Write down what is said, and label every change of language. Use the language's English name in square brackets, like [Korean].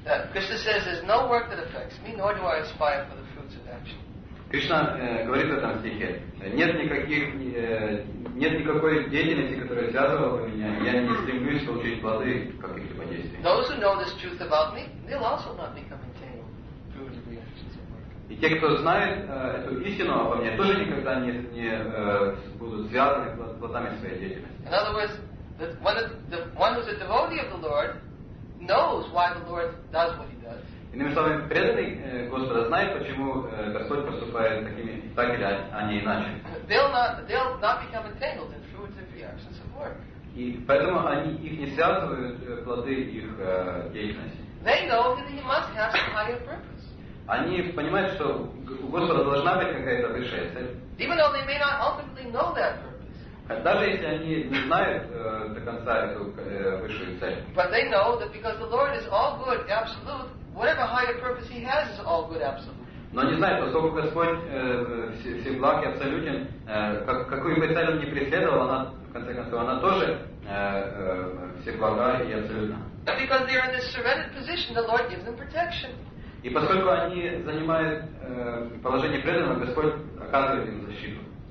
[English] Krishna says, there's no work that affects me, nor do I aspire for the fruits of action. [Russian] Кришна говорит в этом стихе, нет никакой деятельности, которая связывала бы меня, я не стремлюсь получить плоды каких-либо действий. [English] Those who know this truth about me, they'll also not become entangled through the actions of work. [Russian] И те, кто знает эту истину обо мне, тоже никогда не будут связаны плодами своей деятельности. [English] In other words, the one who's a devotee of the Lord knows why the Lord does what he does. [Russian] Иными словами, преданный Господа знает, почему Господь поступает такими, так или а не иначе. [English] They'll not become entangled in fruits of the actions of work. [Russian] И поэтому они их не связывают плоды их деятельности. [English] They know that he must have some higher purpose. [Russian] Они понимают, что у Господа должна быть какая-то высшая цель. [English] Even though they may not ultimately know that purpose. [Russian] Даже если они не знают до конца эту высшую цель. [English] But they know that because the Lord is all good, absolute. Whatever higher purpose he has is all good, absolute. [Russian] Но не знаю, поскольку Господь всеблаг и абсолютен, какую бы цель он ни преследовал, она в конце концов она тоже всеблага и абсолютна. [English] And because they're in this surrendered position, the Lord gives them protection. [Russian] И поскольку они занимают положение преданного, Господь оказывает им защиту.